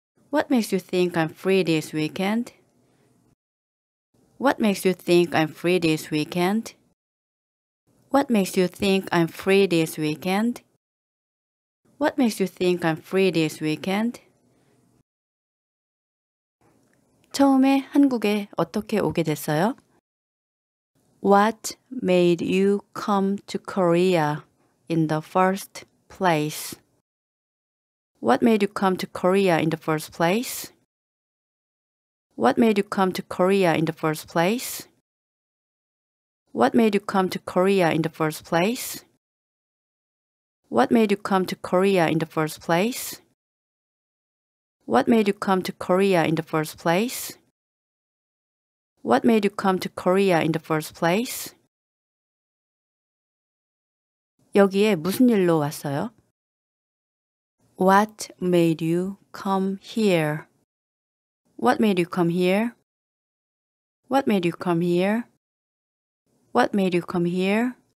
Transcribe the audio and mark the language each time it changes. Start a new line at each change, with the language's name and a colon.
English: What makes you think I'm free this weekend? What makes you think I'm free this weekend? What makes you think I'm free this weekend? What makes you think I'm free this weekend?
Korean: 처음에 한국에 어떻게 오게 됐어요?
English: What made you come to Korea in the first place? What made you come to Korea in the first place? What made you come to Korea in the first place? What made you come to Korea in the first place? What made you come to Korea in the first place? What made you come to Korea in the first place? What made you come to Korea in the first place?
Korean: 여기에 무슨 일로 왔어요?
English: What made you come here? What made you come here? What made you come here? What made you come here?